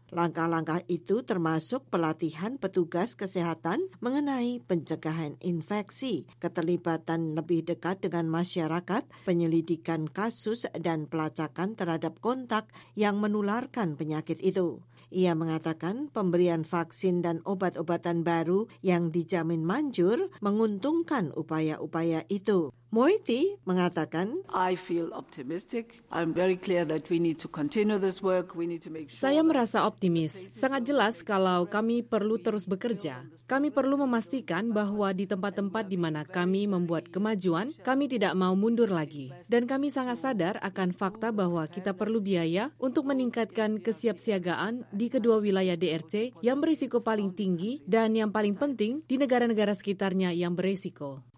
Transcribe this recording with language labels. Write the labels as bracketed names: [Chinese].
[Indonesian] Langkah-langkah itu termasuk pelatihan petugas kesehatan mengenai pencegahan infeksi, keterlibatan lebih dekat dengan masyarakat, penyelidikan kasus, dan pelacakan terhadap kontak yang menularkan penyakit itu. Ia mengatakan pemberian vaksin dan obat-obatan baru yang dijamin manjur menguntungkan upaya-upaya itu. Moiti mengatakan, [English] I feel optimistic. I'm very clear that we need to continue this work. We need to make sure. [Indonesian] Saya merasa optimis. Sangat jelas kalau kami perlu terus bekerja. Kami perlu memastikan bahwa di tempat-tempat di mana kami membuat kemajuan, kami tidak mau mundur lagi. Dan kami sangat sadar akan fakta bahwa kita perlu biaya untuk meningkatkan kesiapsiagaan di kedua wilayah DRC yang berisiko paling tinggi dan yang paling penting di negara-negara sekitarnya yang berisiko.